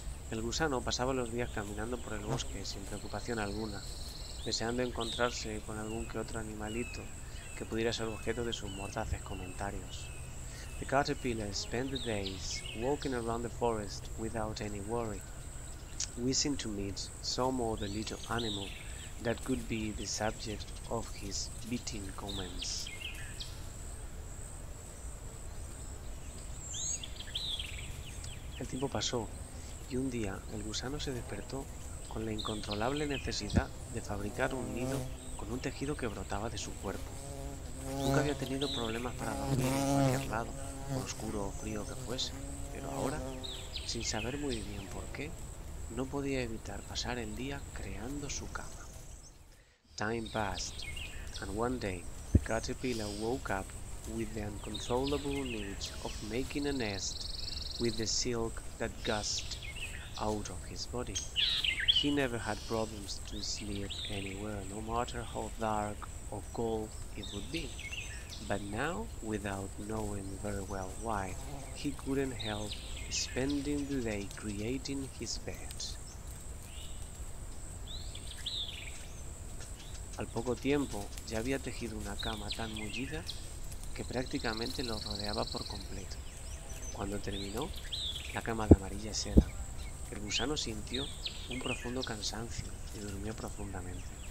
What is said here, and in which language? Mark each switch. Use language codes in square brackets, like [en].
[es] El gusano pasaba los días caminando por el bosque sin preocupación alguna, deseando encontrarse con algún que otro animalito que pudiera ser objeto de sus mordaces comentarios. [en] The caterpillar spent the days walking around the forest without any worry, wishing to meet some other little animal that could be the subject of his biting comments. [es] El tiempo pasó, y un día el gusano se despertó con la incontrolable necesidad de fabricar un nido con un tejido que brotaba de su cuerpo. Nunca había tenido problemas para dormir en cualquier lado, por oscuro o frío que fuese, pero ahora, sin saber muy bien por qué, no podía evitar pasar el día creando su cama. [en] Time passed, and one day the caterpillar woke up with the uncontrollable need of making a nest with the silk that gushed out of his body. He never had problems to sleep anywhere, no matter how dark or cold it would be. But now, without knowing very well why, he couldn't help spending the day creating his bed. [es] Al poco tiempo, ya había tejido una cama tan mullida que prácticamente lo rodeaba por completo. Cuando terminó la cama de amarilla seda, el gusano sintió un profundo cansancio y durmió profundamente.